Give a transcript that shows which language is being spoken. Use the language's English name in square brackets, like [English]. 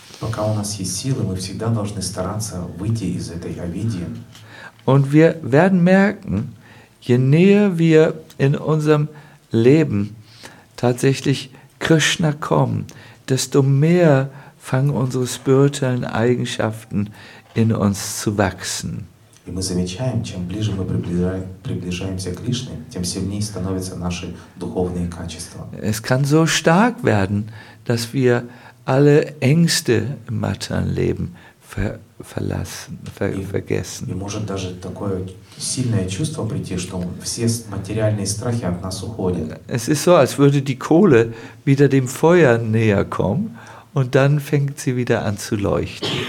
[Russian] Пока у нас есть силы, мы всегда должны стараться выйти из этой авидии. [German] Und wir werden merken, je näher wir in unserem Leben tatsächlich Krishna kommen, desto mehr fangen unsere spirituellen Eigenschaften in uns zu wachsen. [Russian] И мы замечаем, чем ближе мы приближаемся к Кришне, тем сильнее становятся наши духовные качества. [German] Es kann so stark werden, dass wir alle Ängste im materiellen Leben vergessen. [Russian] И может даже такое сильное чувство прийти, что все материальные страхи от нас уходят. [German] Es ist so, als würde die Kohle wieder dem Feuer näher kommen. Und dann fängt sie wieder an zu leuchten.